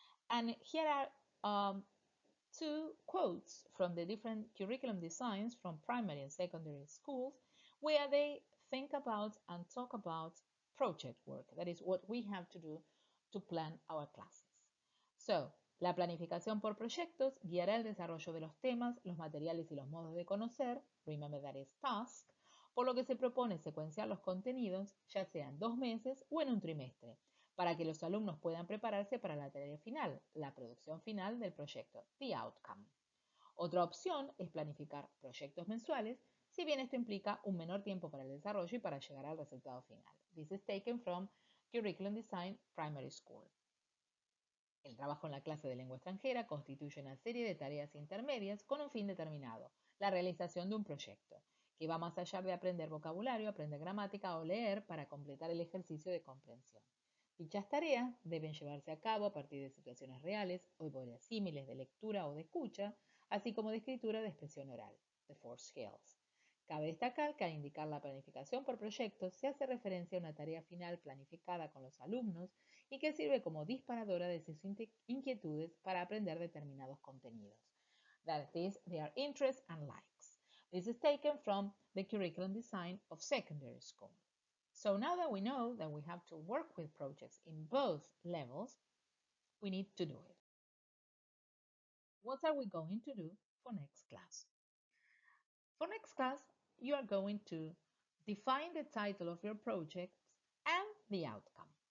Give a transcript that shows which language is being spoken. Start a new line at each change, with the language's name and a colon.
English: And here are two quotes from the different curriculum designs from primary and secondary schools, where they think about and talk about project work. That is what we have to do to plan our classes.
Spanish: So, la planificación por proyectos guiará el desarrollo de los temas, los materiales y los modos de conocer.
English: Remember that is task.
Spanish: Por lo que se propone secuenciar los contenidos, ya sea en 2 meses o en un trimestre, para que los alumnos puedan prepararse para la tarea final, la producción final del proyecto,
English: the outcome.
Spanish: Otra opción es planificar proyectos mensuales, si bien esto implica un menor tiempo para el desarrollo y para llegar al resultado final.
English: This is taken from Curriculum Design Primary School.
Spanish: El trabajo en la clase de lengua extranjera constituye una serie de tareas intermedias con un fin determinado, la realización de un proyecto, que va más allá de aprender vocabulario, aprender gramática o leer para completar el ejercicio de comprensión. Dichas tareas deben llevarse a cabo a partir de situaciones reales o verosímiles de lectura o de escucha, así como de escritura de expresión oral,
English: the 4 skills.
Spanish: Cabe destacar que al indicar la planificación por proyectos se hace referencia a una tarea final planificada con los alumnos y que sirve como disparadora de sus inquietudes para aprender determinados contenidos.
English: That is, their interests and likes. This is taken from the curriculum design of secondary school. So now that we know that we have to work with projects in both levels, we need to do it. What are we going to do for next class? For next class, you are going to define the title of your project and the outcome.